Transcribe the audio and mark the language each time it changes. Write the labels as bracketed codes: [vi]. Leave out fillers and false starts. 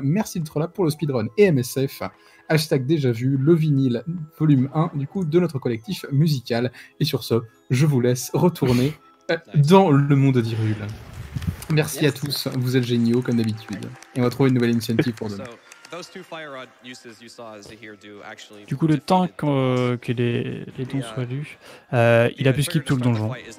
[fr] Merci de trop là pour le speedrun et MSF. » Hashtag déjà vu, le vinyle, volume 1, du coup, de notre collectif musical. Et sur ce, je vous laisse retourner dans le monde d'Hyrule. Merci à tous, vous êtes géniaux, comme d'habitude. Et on va trouver une nouvelle initiative pour demain. [en] those two fire rod uses you saw Zahir do actually. [fr] Du coup, le temps que les dons soient lus, il a pu skip tout le donjon.